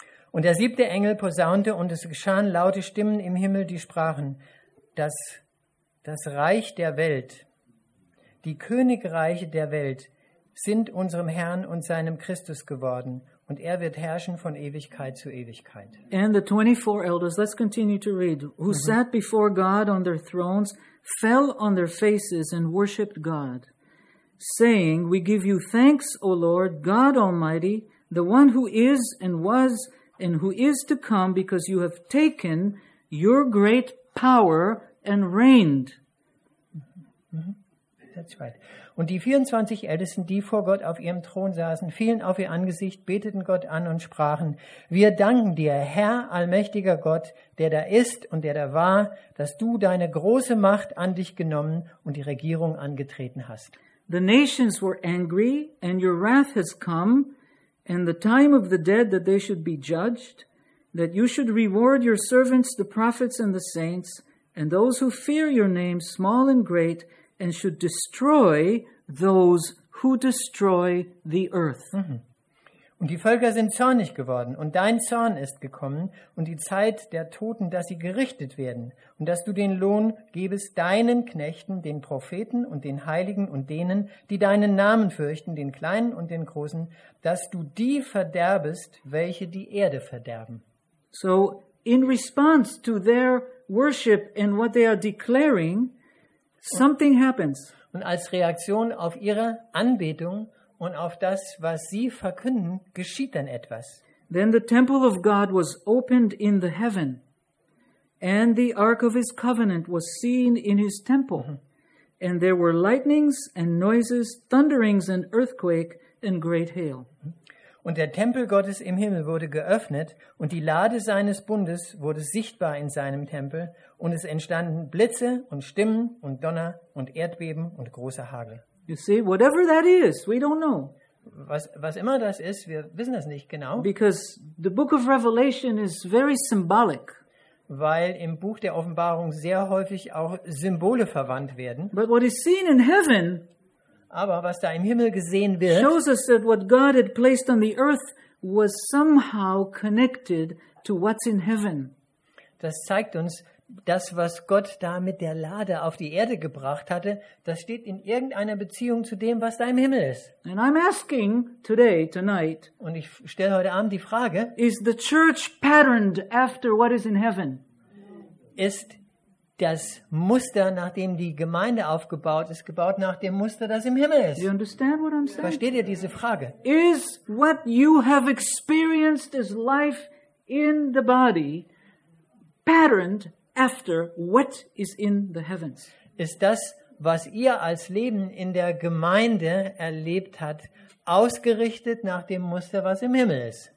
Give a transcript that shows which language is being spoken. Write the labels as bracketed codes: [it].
[de] Und der siebte Engel posaunte, und es geschahen laute Stimmen im Himmel, die sprachen, dass das Reich der Welt, die Königreiche der Welt, sind unserem Herrn und seinem Christus geworden, und er wird herrschen von Ewigkeit zu Ewigkeit. [en] And the 24 elders, let's continue to read, who mm-hmm. sat before God on their thrones, fell on their faces and worshipped God, saying, we give you thanks, O Lord, God Almighty, the one who is and was and who is to come, because you have taken your great power and reigned. Mm-hmm. That's right. [de] Und die 24 Ältesten, die vor Gott auf ihrem Thron saßen, fielen auf ihr Angesicht, beteten Gott an und sprachen, wir danken dir, Herr, allmächtiger Gott, der da ist und der da war, dass du deine große Macht an dich genommen und die Regierung angetreten hast. [en] The nations were angry, and your wrath has come, and the time of the dead that they should be judged, that you should reward your servants, the prophets and the saints, and those who fear your name, small and great, and should destroy those who destroy the earth. Mhm. [de] Und die Völker sind zornig geworden, und dein Zorn ist gekommen, und die Zeit der Toten, dass sie gerichtet werden, und dass du den Lohn gebest deinen Knechten, den Propheten und den Heiligen und denen, die deinen Namen fürchten, den Kleinen und den Großen, dass du die verderbest, welche die Erde verderben. [en] So, in response to their worship and what they are declaring, something happens. [de] Und als Reaktion auf ihre Anbetung und auf das, was sie verkünden, geschieht dann etwas. [en] Then the temple of God was opened in the heaven, and the ark of his covenant was seen in his temple. And there were lightnings and noises, thunderings and earthquake and great hail. [de] Und der Tempel Gottes im Himmel wurde geöffnet, und die Lade seines Bundes wurde sichtbar in seinem Tempel, und es entstanden Blitze und Stimmen und Donner und Erdbeben und großer Hagel. [en] You see, whatever that is, we don't know. [de] Was immer das ist, wir wissen das nicht genau. [en] Because the book of Revelation is very symbolic. [de] Weil im Buch der Offenbarung sehr häufig auch Symbole verwandt werden. [en] But what is seen in heaven, [de] aber was da im Himmel gesehen wird, [en] shows us that what God had placed on the earth was somehow connected to what's in heaven. [de] Das zeigt uns, das, was Gott da mit der Lade auf die Erde gebracht hatte, das steht in irgendeiner Beziehung zu dem, was da im Himmel ist. [en] And I'm asking today, tonight, [de] und ich stelle heute Abend die Frage, [en] is the church patterned after what is in heaven? [de] Ist das Muster, nach dem die Gemeinde aufgebaut ist, gebaut nach dem Muster, das im Himmel ist? [en] You understand what I'm saying? [de] Versteht ihr diese Frage? [en] Is what you have experienced as life in the body patterned after what is in the heavens? [de] Ist das, was ihr als Leben in der Gemeinde erlebt habt, ausgerichtet nach dem Muster, was im Himmel ist?